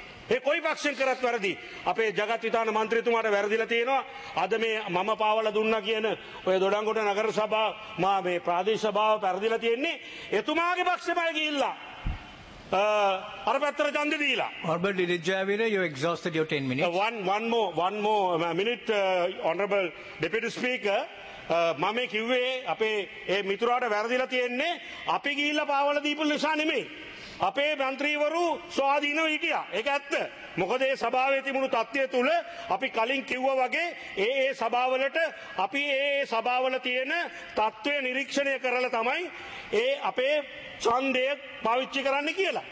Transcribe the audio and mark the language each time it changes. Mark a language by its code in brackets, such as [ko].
[si] ඒ කොයි පක්ෂෙන් කරත් වැරදි. අපේ ජගත් විතාන මන්ත්‍රීතුමාට වැරදිලා තියෙනවා. අද මේ මම පාවලා දුන්නා කියන ඔය දොඩංගොඩ නගර සභාව මා මේ ප්‍රාදේශ සභාව වැරදිලා තියෙන්නේ එතුමාගේ පක්ෂෙමයි ගිහිල්ලා අර පැත්තට ඡන්ද දීලා. [en] Honorable Dilijayavire, you exhausted your 10 minutes. One more minute, Honorable Deputy Speaker. [si] මම කිව්වේ අපේ ඒ මිතුරාට වැරදිලා තියෙන්නේ අපි ගිහිල්ලා පාවලා දීපු නිසා නෙමෙයි. අපේ මන්ත්‍රීවරු ස්වාධීනව හිටියා, ඒක ඇත්ත. මොකද ඒ සභාවේ තිබුණු තත්ත්වය තුළ අපි කලින් කිව්වා වගේ ඒ සභාවලට අපි ඒ සභාවල තියෙන තත්ත්වය නිරීක්ෂණය කරලා තමයි ඒ අපේ ඡන්දය පාවිච්චි කරන්න කියලා.